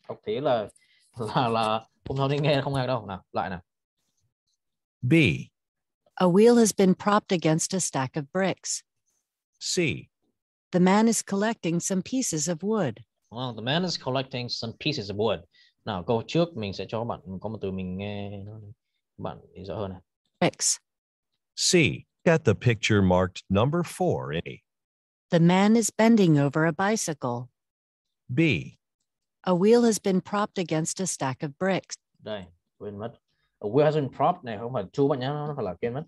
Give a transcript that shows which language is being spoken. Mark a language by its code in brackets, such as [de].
[vi] Học thế là không sao đi nghe không nghe đâu. Nào, lại nào. [en] B. A wheel has been propped against a stack of bricks. C. The man is collecting some pieces of wood. Well, the man is collecting some pieces of wood. [vi] Nào, câu trước mình sẽ cho bạn có một từ mình nghe bạn nghe rõ hơn này. [en] Bricks. C. Get the picture marked number 4 in A. The man is bending over a bicycle. B. A wheel has been propped against a stack of bricks. [vi] Đây, quên mất. [en] A wheel has been propped [vi] này không phải chú bạn nhé, nó phải là quên mất.